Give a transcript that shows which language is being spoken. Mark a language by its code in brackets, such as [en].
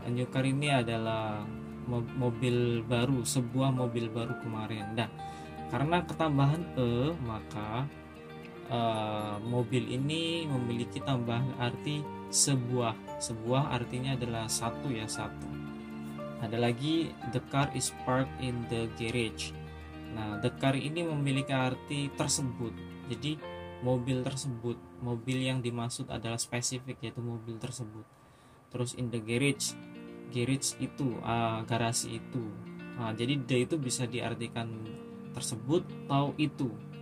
[en] A new car [id] ini adalah mobil baru, sebuah mobil baru kemarin. Nah, karena ketambahan e, maka mobil ini memiliki tambahan arti sebuah. Sebuah artinya adalah satu ya, satu. Ada lagi, [en] the car is parked in the garage. [id] Nah, the car ini memiliki arti tersebut. Jadi mobil tersebut, mobil yang dimaksud adalah spesifik, yaitu mobil tersebut. Terus [en] in the garage, [id] garage itu, garasi itu. Nah, jadi the itu bisa diartikan tersebut atau itu.